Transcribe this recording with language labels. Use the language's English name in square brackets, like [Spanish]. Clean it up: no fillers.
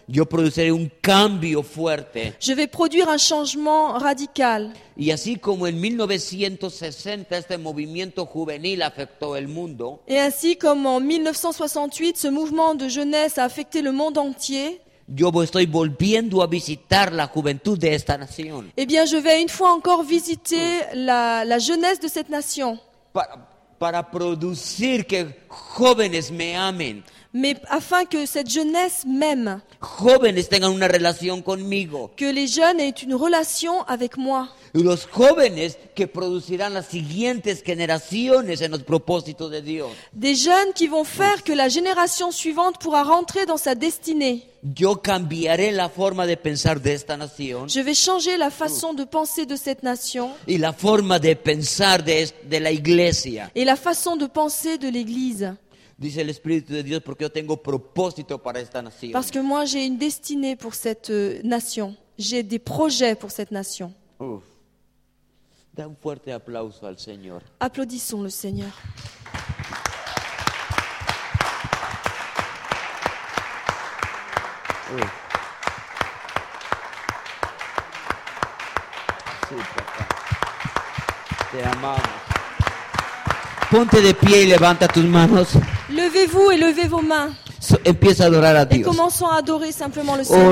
[Spanish] Yo produciré un cambio fuerte. [French] Je vais produire un changement radical. [Spanish] Y así como en 1960 este movimiento juvenil afectó el mundo. [French] Et ainsi comme en 1968 ce mouvement de jeunesse a affecté le monde entier. [Spanish] Yo estoy volviendo a visitar la juventud de esta nación. [French] Eh bien, je vais une fois encore visiter la jeunesse de cette nation. [Spanish] Para producir que jóvenes me amen. [French] Mais afin que cette jeunesse m'aime. [Spanish] Jóvenes tengan una relación conmigo. [French] Que les jeunes aient une relation avec moi. [Spanish] Los jóvenes que producirán las siguientes generaciones en los propósitos de Dios. [French] Des jeunes qui vont faire que la génération suivante pourra rentrer dans sa destinée. [Spanish] Yo cambiaré la forma de pensar de esta nación. [French] Je vais changer la façon de penser de cette nation. [Spanish] Y la forma de pensar de la iglesia. [French] Et la façon de penser de l'église. [Spanish] Dice el Espíritu de Dios porque yo tengo propósito para esta nación. [French] Parce que moi j'ai une destinée pour cette nation. J'ai des projets pour cette nation. [Spanish] Da un fuerte aplauso al Señor. [French] Applaudissons le Seigneur. [Spanish] Sí, papá. Te amamos. Ponte de pie y levanta tus manos. [French] Levez-vous et levez vos mains. [Spanish] Empieza a adorar a Dios. [French] Et commençons à adorer simplement le Seigneur.